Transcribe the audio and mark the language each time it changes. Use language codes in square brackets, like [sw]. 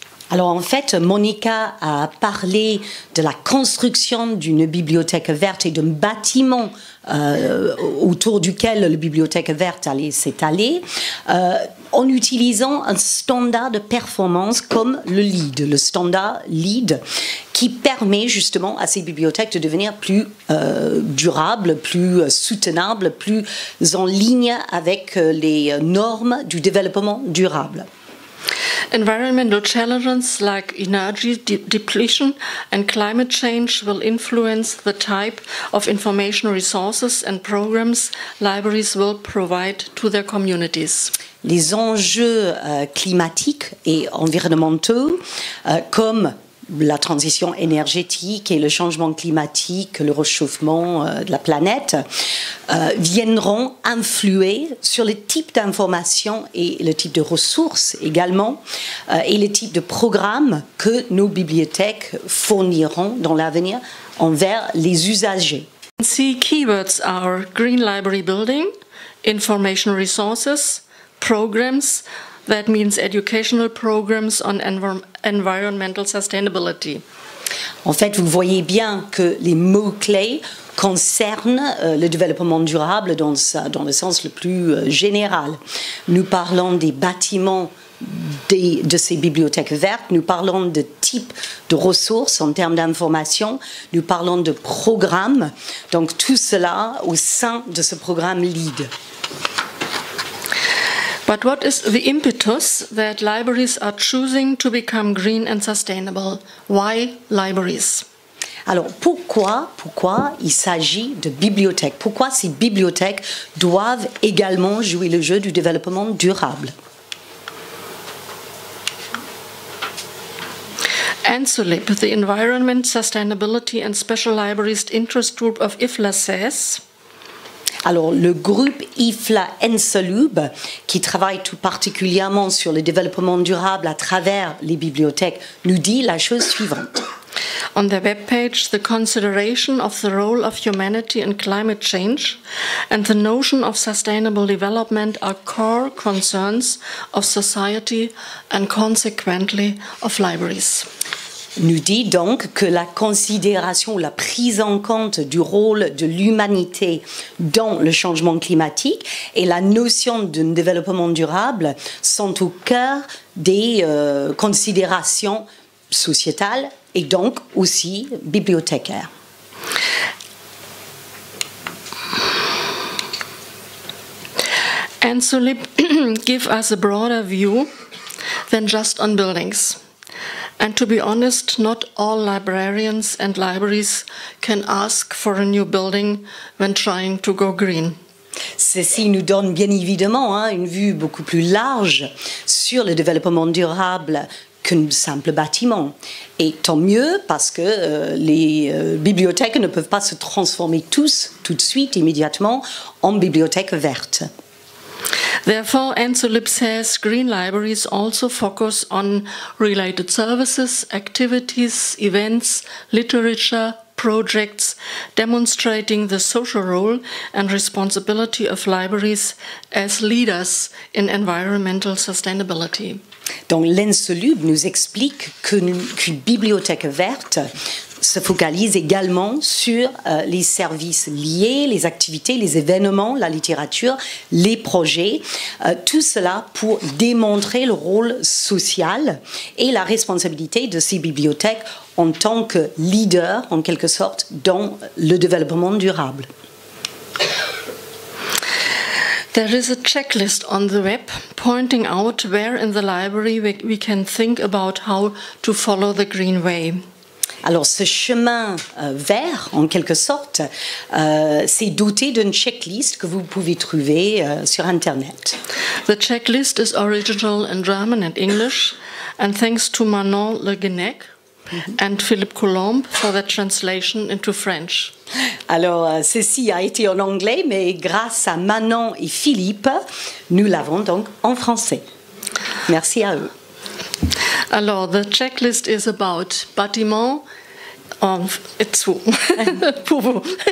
[fr] Alors en fait, Monica a parlé de la construction d'une bibliothèque verte et d'un bâtiment autour duquel la bibliothèque verte allait s'étaler en utilisant un standard de performance comme le LEED, le standard LEED, qui permet justement à ces bibliothèques de devenir plus durables, plus soutenables, plus en ligne avec les normes du développement durable. [en] Environmental challenges like energy depletion and climate change will influence the type of information resources and programs libraries will provide to their communities. [fr] Les enjeux climatiques et environnementaux, comme la transition énergétique et le changement climatique, le réchauffement de la planète, viendront influer sur le type d'informations et le type de ressources également, et le type de programmes que nos bibliothèques fourniront dans l'avenir envers les usagers. Ces [en] keywords are green library building, information resources, programs, that means educational programs on environmental sustainability. [fr] En fait, vous voyez bien que les mots-clés concernent le développement durable dans le sens le plus général. Nous parlons des bâtiments de ces bibliothèques vertes, nous parlons de types de ressources en termes d'information, nous parlons de programmes, donc tout cela au sein de ce programme LEED. [en] But what is the impetus that libraries are choosing to become green and sustainable? Why libraries? [fr] Alors, pourquoi il s'agit de bibliothèques? Pourquoi ces bibliothèques doivent également jouer le jeu du développement durable? [en] ENSULIB, the Environment, Sustainability and Special Libraries Interest Group of IFLA, says... [fr] Alors, le groupe IFLA ENSULIB, qui travaille tout particulièrement sur le développement durable à travers les bibliothèques, nous dit la chose suivante. [en] On their webpage, the consideration of the role of humanity in climate change and the notion of sustainable development are core concerns of society and consequently of libraries. [fr] Nous dit donc que la considération, la prise en compte du rôle de l'humanité dans le changement climatique et la notion d'un développement durable sont au cœur des considérations sociétales et donc aussi bibliothécaires. [en] ENSULIB give us a broader view than just on buildings. And to be honest, not all librarians and libraries can ask for a new building when trying to go green. [fr] Ceci nous donne bien évidemment une vue beaucoup plus large sur le développement durable qu'un simple bâtiment. Et tant mieux parce que les bibliothèques ne peuvent pas se transformer tout de suite, immédiatement, en bibliothèques vertes. [en] Therefore, ENSULIB says green libraries also focus on related services, activities, events, literature, projects, demonstrating the social role and responsibility of libraries as leaders in environmental sustainability. [fr] Donc l'ENSULIB nous explique qu'une bibliothèque verte se focalise également sur les services liés, les activités, les événements, la littérature, les projets, tout cela pour démontrer le rôle social et la responsabilité de ces bibliothèques en tant que leaders, en quelque sorte, dans le développement durable. [en] There is a checklist on the web pointing out where in the library we can think about how to follow the green way. [fr] Alors ce chemin vert, en quelque sorte, c'est doté d'une checklist que vous pouvez trouver sur Internet. [en] The checklist is original in German and English, and thanks to Manon Le Guenec and Philippe Coulomb for the translation into French. [fr] Alors, ceci a été en anglais, mais grâce à Manon et Philippe, nous l'avons donc en français. Merci à eux. Alors, [en] the checklist is about bâtiment. It's [fr] pour vous.